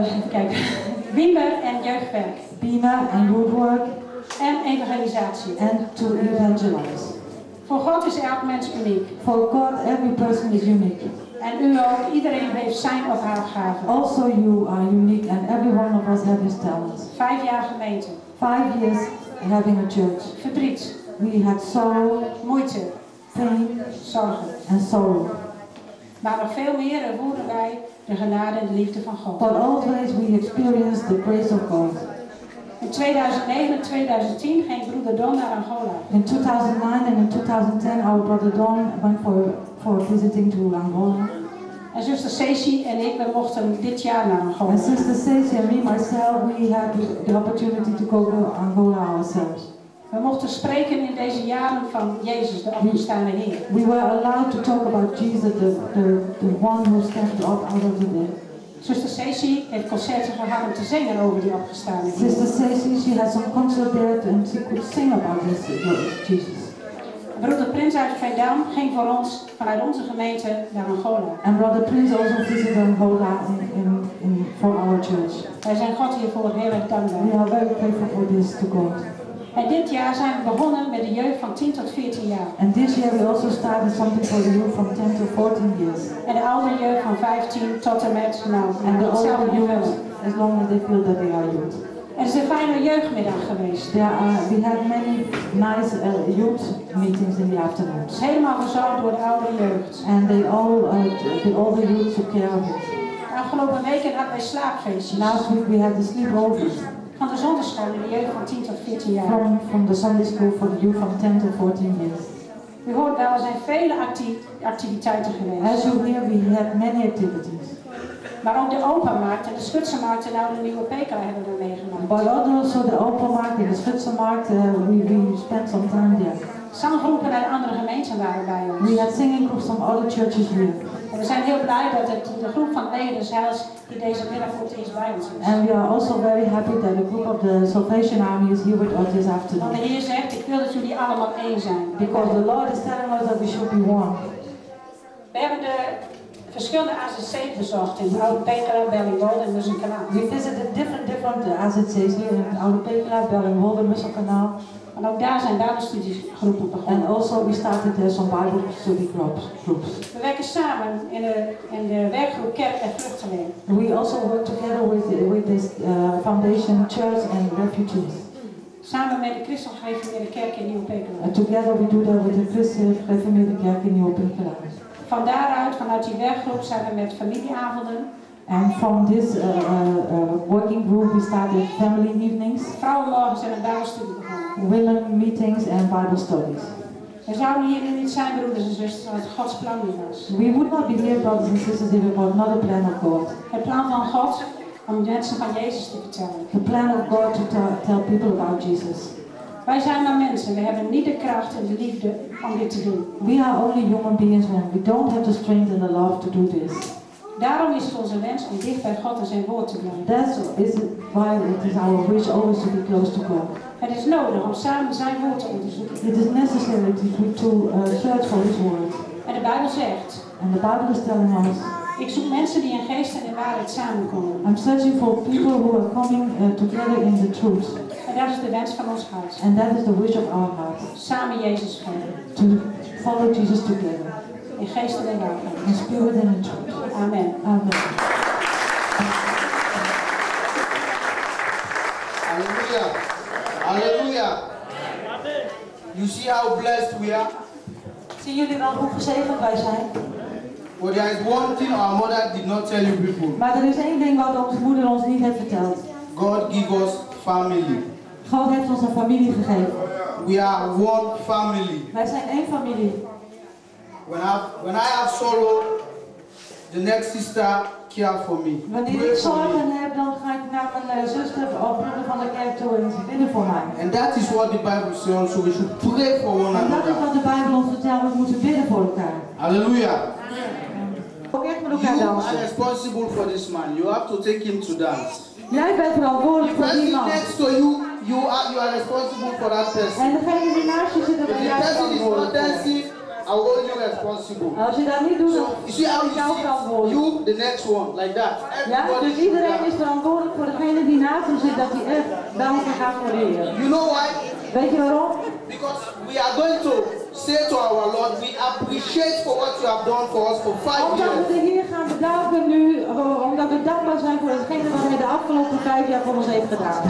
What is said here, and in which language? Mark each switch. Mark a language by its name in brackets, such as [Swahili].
[Dutch] Kijk, Beamer en jeugdwerk. [English] Beamer [Dutch] en [English] woodwork. [Dutch] En evangelisatie. [English] And to evangelize. [Dutch] Voor God is elk mens uniek. [English] For God, every person is unique. [Dutch] En u ook, iedereen heeft zijn of haar gaven. [English] Also you are unique and every one of us have his talents. [Dutch] 5 jaar gemeente. [English] 5 years having a church. [Dutch] Verdriet. [English] We had sorrow. [Dutch] Moeite. [English] Pain. [Dutch] Zorgen. [English] And sorrow. [Dutch] Maar nog veel meer ervoeren wij de genade en de liefde van God. [English] But always we experience the grace of God. [Dutch] In 2009 en 2010 ging broeder Don naar Angola. [English] In 2009 and in 2010 our brother Don went for visiting to Angola. [Dutch] En zuster Ceci en ik, we mochten dit jaar naar Angola. [English] And sister Ceci and me, myself, we had the opportunity to go to Angola ourselves. [Dutch] We mochten spreken in deze jaren van Jezus, de opgestaande Heer. [English] We were allowed to talk about Jesus, the one who stepped up out of the dead. [Dutch] Zuster Ceci heeft concerten gehad om te zingen over die opgestaande Heer. [English] Sister Ceci, she had some concert there and she could sing about this Jesus. [Dutch] Broeder Prins uit Veendam ging voor ons vanuit onze gemeente naar Angola. [English] And Brother Prince also visited Angola in for our church. [Dutch] Wij zijn God hiervoor heel erg dankbaar. [English] We are very grateful for this to God. [Dutch] En dit jaar zijn we begonnen met de jeugd van 10 tot 14 jaar. [English] And this year we also started something for the youth from 10 to 14 years. [Dutch] En de oudere jeugd van 15 tot en met nu. [English] And the older youth, as long as they feel that they are youth. [Dutch] Er is een fijne jeugdmiddag geweest. [English] We had many nice youth meetings in the afternoon. [Dutch] Helemaal verzorgd door de oudere jeugd. [English] And they all, the older youth took care of it. [Dutch] De afgelopen weken hadden wij slaapfeestjes. [English] Last week we had the sleepovers. [Dutch] Van de zondagsschool in de jeugd van 10 tot 14 jaar. [English] From the Sunday school for the youth from 10 to 14 years. [Dutch] U hoort wel, er zijn vele activiteiten geweest. [English] As you hear, we had many activities. [Dutch] Maar ook de openmarkt en de Schutzenmarkt en de nieuwe Pekka hebben we meegemaakt. [English] But also the openmarkt [Dutch] en de [English] Schutzenmarkt, we spent some time there. [Dutch] Zanggroepen uit andere gemeenten waren bij ons. [English] We had singing groups from other churches here. [Dutch] En we zijn heel blij dat het de groep van leden zelfs die deze middag voor het eerst bij ons is. [English] And we are also very happy that a group of the Salvation Army is here with us this afternoon. [Dutch] Want de Heer zegt, ik wil dat jullie allemaal één zijn. [English] Because the Lord is telling us that we should be one. [Dutch] We hebben de verschillende AZC's bezocht in Oude Pekela, Bellingwolde en Musselkanaal. [English] We visited different AZC's [Dutch] hier [English] in Oude Pekela, Bellingwolde [Dutch] en [English] Musselkanaal. [Dutch] En ook daar zijn Bijbelstudiegroepen begonnen. [English] And also we started some Bible study groups. [Dutch] We werken samen in de werkgroep Kerk en Vluchtelingen. [English] We also work together with this foundation Church and Refugees. [Dutch] Samen met de Christelijke Gereformeerde Kerk in Nieuw-Pekela. [English] And together we do that with the Christelijke Gereformeerde Kerk in Nieuw-Pekela. [Dutch] Van daaruit, vanuit die werkgroep, zijn we met familieavonden. [English] And from this working group we started family evenings. [Dutch] Vrouwenmorgens en een Bijbelstudie begonnen. [English] Women meetings and Bible studies. [Dutch] We zouden hier nu niet zijn, broeders en zusters, als Gods plan niet was. [English] We would not be here, brothers and sisters, if it was not a plan of God. [Dutch] Het plan van God om mensen van Jezus te vertellen. [English] The plan of God to tell people about Jesus. [Dutch] Wij zijn maar mensen. We hebben niet de kracht en de liefde om dit te doen. [English] We are only human beings, man. We don't have the strength and the love to do this. [Dutch] Daarom is het onze wens om dicht bij God en zijn woord te blijven. [English] That's is why it is our wish always to be close to God. [Dutch] Het is nodig om samen zijn woord te onderzoeken. [English] It is necessary to search for His word. [Dutch] En de Bijbel zegt. [English] And the Bible is telling us. [Dutch] Ik zoek mensen die in geest en in waarheid samenkomen. [English] I'm searching for people who are coming together in the truth. [Dutch] En dat is de wens van ons hart. [English] And that is the wish of our heart. [Dutch] Samen Jezus volgen. [English] To follow Jesus together. [Dutch] In geest en in waarheid. [English] In spirit and in truth. [Dutch] Amen. [English] Amen. Halleluja. Halleluja. Amen. You see how blessed we are? [Dutch] Zien jullie wel hoe gezegend wij zijn? [English] But there is one thing our mother did not tell you before. [Dutch] Maar er is één ding wat onze moeder ons niet heeft verteld. [English] God give us family. [Dutch] God heeft ons een familie gegeven. [English] We are one family. [Dutch] Wij zijn één familie. [English] When I have sorrow, the next sister care for me. [Dutch] Wanneer ik zorgen heb, dan ga ik naar mijn zuster of broeder van de kerk toe en ze bidden voor mij. [English] And that is what the Bible says. So we should pray for one another. [Dutch] En dat is wat de Bijbel ons vertelt. We moeten bidden voor elkaar. Halleluja. [English] Okay, you are responsible for this man. You have to take him to dance. [Dutch] Jij bent verantwoordelijk voor die man. [English] Next to you, you are responsible for that person. [Dutch] En degene die naast je zit, dan ben jij verantwoordelijk. [English] I hold you responsible. [Dutch] Als je dat niet doet, dan ben jij verantwoordelijk. [English] You, the next one, like that. Everybody, [Dutch] ja, dus iedereen is verantwoordelijk voor degene die naast je zit, dat hij echt dan gaat voor je. [English] You know why? [Dutch] Weet je waarom? [English] Because we are going to say to our Lord, we appreciate for what you have done for us for 5 years. [Dutch] Omdat we de Heer gaan bedanken nu, omdat we dankbaar zijn voor hetgene wat hij de afgelopen 5 jaar voor ons heeft gedaan.